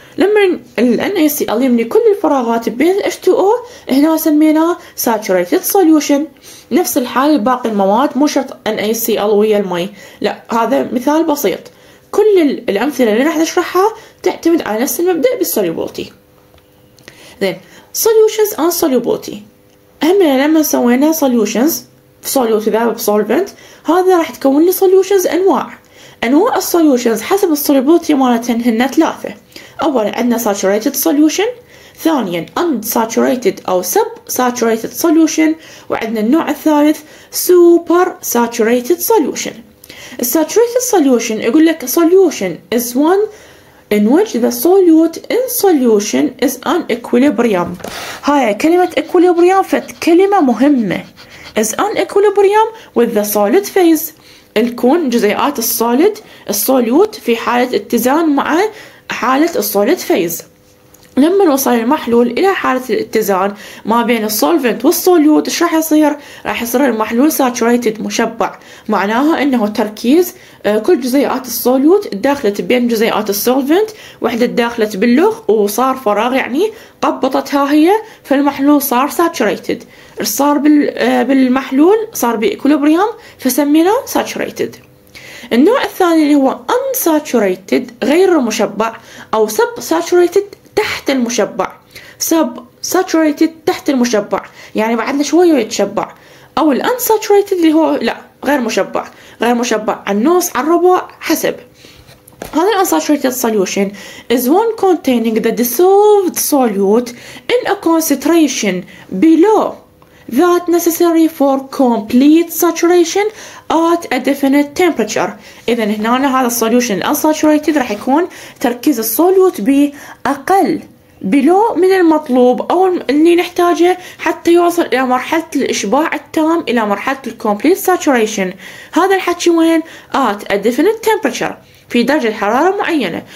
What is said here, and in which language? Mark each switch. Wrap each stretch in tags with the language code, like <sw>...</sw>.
<ar>لما الـ NaCl يملي كل الفراغات بين الـ H2O هنا سميناه Saturated Solution. نفس الحال باقي المواد، مو شرط NaCl ويا المي، لا، هذا مثال بسيط. كل الأمثلة اللي راح نشرحها تعتمد على نفس المبدأ بالسوليبولتي.</ar> <en>Then solutions and solubility.</en> <ar>أهمنا لما سوينا solutions في solute ذا بsolvent هذا راح تكون لي solutions أنواع. أنواع solutions حسب السوليبولتي مالتهن هن ثلاثة. أولا عندنا</ar> <en>saturated solution، ثانيا unsaturated أو sub saturated solution،</en> <ar>وعندنا النوع الثالث</ar> <en>super saturated solution. Saturated solution</en> <ar>يقول لك</ar> <en>solution is one in which the solute in solution is an equilibrium.</en> <ar>هاي كلمة equilibrium فت كلمة مهمة.</ar> <en>Is an equilibrium with the solid phase.</en> <ar>الكون جزيئات الصالد الصوليوت في حالة اتزان مع حالة الصوليد فيز. لما نوصل المحلول إلى حالة الاتزان ما بين السولفنت والسوليوت إيش راح يصير؟ راح يصير المحلول ساتوريتد مشبع، معناها إنه تركيز كل جزيئات السوليوت دخلت بين جزيئات السولفنت، وحدة دخلت باللخ وصار فراغ يعني قبطتها هي، فالمحلول صار ساتوريتد. صار بالمحلول صار بإكوليبريوم فسميناه ساتوريتد. النوع الثاني اللي هو unsaturated غير مشبع أو subsaturated تحت المشبع. sub saturated تحت المشبع يعني بعدنا شوية يتشبع، أو الـ unsaturated اللي هو لا غير مشبع، غير مشبع على النص على الربع حسب. هذا الـ</ar> <en>unsaturated solution is one containing the dissolved solute in a concentration below that necessary for complete saturation at a definite temperature.</en> <ar>إذن هنا هذا solution unsaturated راح يكون تركيز الصوليوت بأقل بلو من المطلوب او اللي نحتاجه حتى يوصل الى مرحلة الاشباع التام، الى مرحلة الكومبليت ساتوريشن. هذا الحكي وين؟ ات ديفينيت تمبرتشر، في درجة حرارة معينة.</ar>